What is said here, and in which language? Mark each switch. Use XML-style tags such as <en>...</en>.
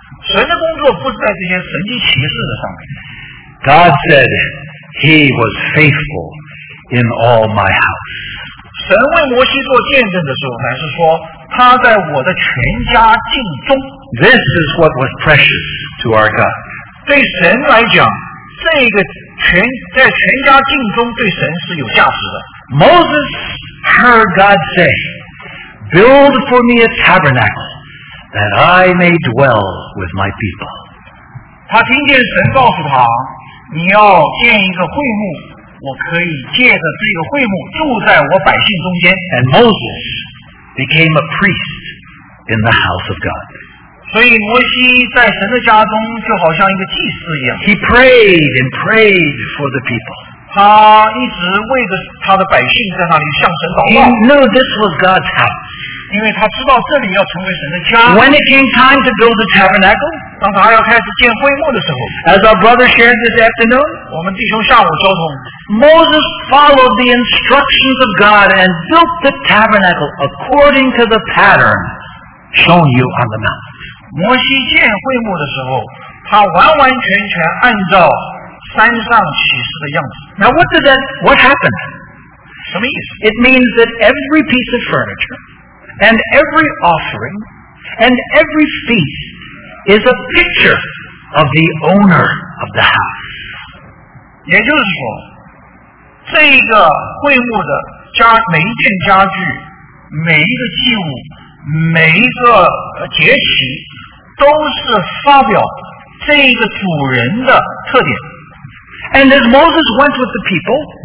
<zh>神的工作不是在这些神迹奇事的上面。</zh> <en>God said he was faithful in all my house.</en> <zh>神为摩西做见证的时候，乃是说他在我的全家尽忠。</zh> <en>This is what was precious to our God.</en> <zh>对神来讲，这个全在全家尽忠对神是有价值的。</zh> <en>Moses heard God say, "Build for me a tabernacle that I may dwell with my people."</en> <zh>他听见神告诉他，你要建一个会幕。我可以借着这个会幕住在我百姓中间。</zh> <en>And Moses became a priest in the house of God.</en> <zh>所以摩西在神的家中就好像一个祭司一样。</zh> <en>He prayed and prayed for the people.</en> <zh>他一直为着他的百姓在那里向神祷告。</zh> <en>He knew this was God's house.</en> <zh>因为他知道这里要成为神的家。</zh> <en>When it came time to build the tabernacle.</en> <zh>当他要开始建会幕的时候</zh> <en>，As our brother shared this afternoon，</en> <zh>我们弟兄下午交通</zh> <en>，Moses followed the instructions of God and built the tabernacle according to the pattern shown you on the mount。</en> <zh>摩西建会幕的时候，他完完全全按照山上启示的样子。</zh> <en>Now what did that? What happened?</en> <zh>什么意思</zh> <en>？It means that every piece of furniture and every offering and every feast. Is a picture of the owner of the house.</en> <zh>也就是说，这个会幕的家每一件家具、每一个祭物、每一个节期，都是发表这个主人的特点。</zh> <en>And as Moses went with the people,</en>